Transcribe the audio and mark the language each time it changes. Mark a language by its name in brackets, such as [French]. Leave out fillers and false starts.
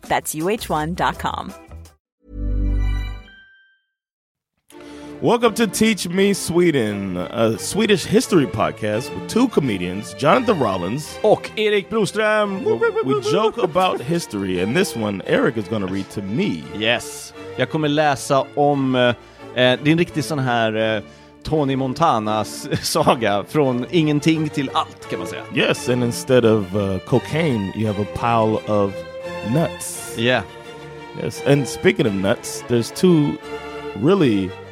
[English] That's uh1.com. Welcome to Teach Me Sweden, a Swedish history podcast with two comedians, Jonathan Rollins [Swedish] och Erik Broström. [English] We joke about history, and this one Eric is going to read to me. [Swedish] Yes, jag kommer läsa om din riktigt sån här Tony Montanas saga från ingenting till allt, kan man säga. [English] Yes, and instead of cocaine, you have a pile of nuts. Yeah. Yes, and speaking of nuts, there's two really...